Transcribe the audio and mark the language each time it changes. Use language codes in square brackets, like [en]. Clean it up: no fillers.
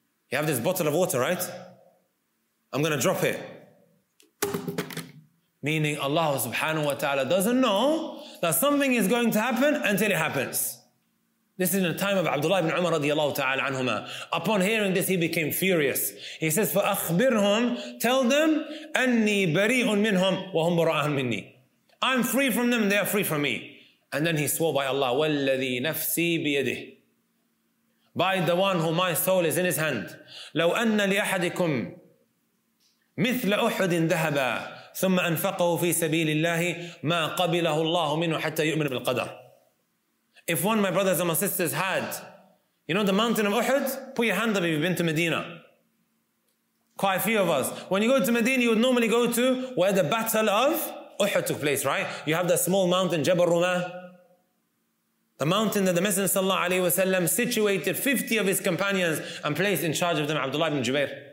[en] You have this bottle of water, right? I'm going to drop it. Meaning Allah subhanahu wa ta'ala doesn't know that something is going to happen until it happens. This is in the time of Abdullah ibn Umar radiallahu ta'ala anhumah. Upon hearing this, he became furious. He says, [ar] فَأَخْبِرْهُمْ, [en] tell them, [ar] أَنِّي بَرِيءٌ مِّنْهُمْ وَهُمْ بُرَاءٌ مِّنِّي. [en] I'm free from them, they are free from me. And then he swore by Allah, [ar] وَالَّذِي نَفْسِي بِيَدِهِ, [en] by the one who my soul is in his hand. [ar] لَوْ أَنَّ لِأَحَدِكُمْ مِثْلَ أُحُدٍ ذَهَبًا ثم أنفقه في سبيل الله ما قبله الله منه حتى يؤمن بالقدر. [en] If one, my brothers and my sisters, had, you know, the mountain of Uhud, put your hand up if you've been to Medina. Quite a few of us. When you go to Medina, you would normally go to where the battle of Uhud took place, right? You have that small mountain, Jabal Rumah, the mountain that the Messenger sallallahu alaihi wasallam situated 50 of his companions and placed in charge of them, Abdullah ibn Jubair.